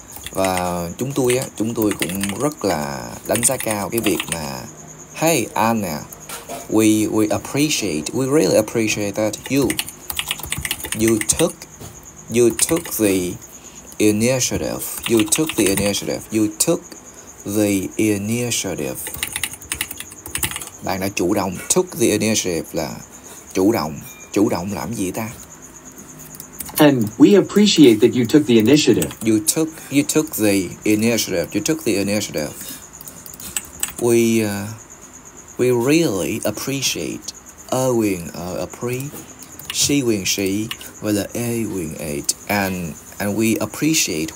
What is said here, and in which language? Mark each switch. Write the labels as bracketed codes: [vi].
[vi] Và chúng tôi cũng rất là đánh giá cao cái việc mà hey Anna, [en] we appreciate, we really appreciate that you took the initiative. You took the initiative. [vi] Bạn đã chủ động. [en] Took the initiative [vi] là chủ động. Chủ động làm gì ta? [en] And we appreciate that you took the initiative. You took the initiative. You took the initiative. We really appreciate. And we appreciate.